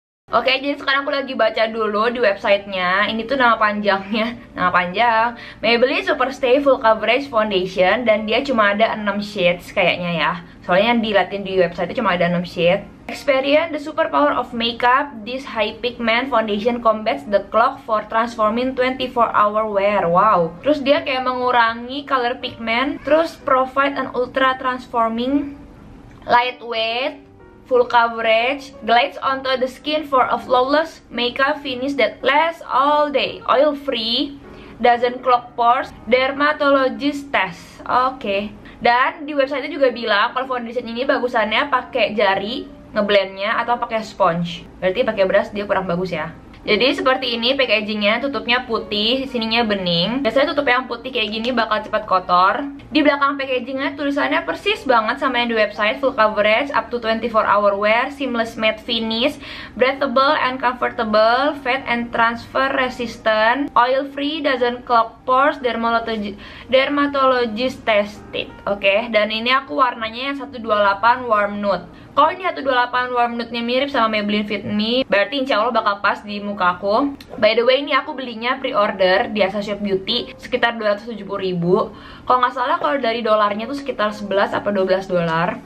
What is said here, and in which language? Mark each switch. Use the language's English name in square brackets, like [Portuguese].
[Indonesian] Oke, jadi sekarang aku lagi baca dulu di website-nya. Ini tuh nama panjangnya. Nama panjang Maybelline Superstay Full Coverage Foundation. Dan dia cuma ada 6 shades kayaknya ya. Soalnya yang dilihatin di website-nya cuma ada 6 shades. [English] Experience the superpower of makeup. This high pigment foundation combats the clog for transforming 24-hour wear. Wow. [Indonesian] Terus dia kayak mengurangi color pigment. [English] Terus provide an ultra transforming, lightweight, full coverage, glides onto the skin for a flawless makeup finish that lasts all day, oil free, doesn't clog pores, dermatologist test. [Indonesian] Oke. Dan di website-nya juga bilang kalau foundation ini bagusannya pakai jari ngeblendnya atau pakai sponge. Berarti pakai brush dia kurang bagus ya. Jadi seperti ini packagingnya, tutupnya putih, sininya bening. Biasanya tutup yang putih kayak gini bakal cepat kotor. Di belakang packagingnya tulisannya persis banget sama yang di website. [English] Full coverage, up to 24 hour wear, seamless matte finish, breathable and comfortable, fade and transfer resistant, oil free, doesn't clog pores, dermatologist tested. [Indonesian] Oke, dan ini aku warnanya yang 128 warm nude. Kalau ini 128 warm nude-nya mirip sama Maybelline Fit Me, berarti insya Allah bakal pas di muka aku. By the way, ini aku belinya pre-order di Asoshop Beauty sekitar 270.000. Kalau nggak salah, kalau dari dolarnya tuh sekitar 11 apa 12 dolar.